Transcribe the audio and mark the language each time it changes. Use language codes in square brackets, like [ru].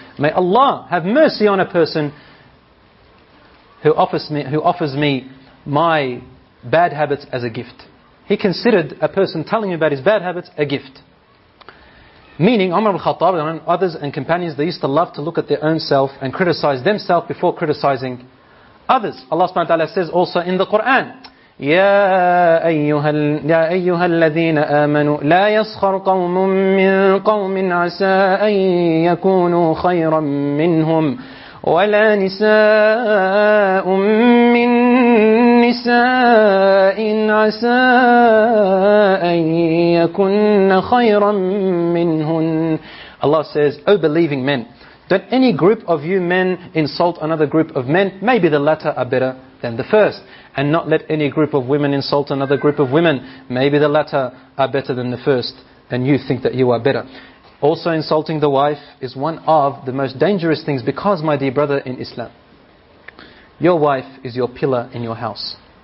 [en] May Allah have mercy on a person who offers me my bad habits as a gift. He considered a person telling him about his bad habits a gift. Meaning Umar al-Khattab and others and companions, they used to love to look at their own self and criticize themselves before criticizing others. Allah subhanahu wa ta'ala says also in the Quran, [ar] يا أيها الذين آمنوا لا يسخر قوم من قوم عسى أن يكونوا خيرا منهم ولا نساء من نساء عسى أن يكن خيرا منهن. [en] Allah says, O believing men, don't any group of you men insult another group of men, maybe the latter are better than the first. And not let any group of women insult another group of women, maybe the latter are better than the first, and you think that you are better. Also, insulting the wife is one of the most dangerous things, because my dear brother in Islam, your wife is your pillar in your house.